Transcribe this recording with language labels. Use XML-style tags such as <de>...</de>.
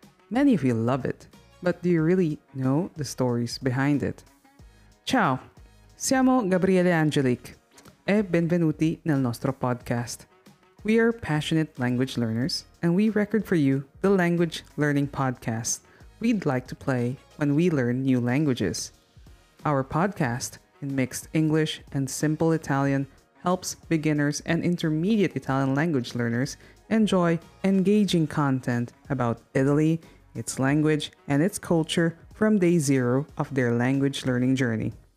<en>Many of you love it, but do you really know the stories behind it?</en> <it>Ciao, siamo Gabriele Angelique e benvenuti nel nostro podcast.</it> <en>We are passionate language learners and we record for you the language learning podcast we'd like to play when we learn new languages. Our podcast in mixed English and simple Italian helps beginners and intermediate Italian language learners enjoy engaging content about Italy, its language, and its culture from day zero of their language learning journey.</en>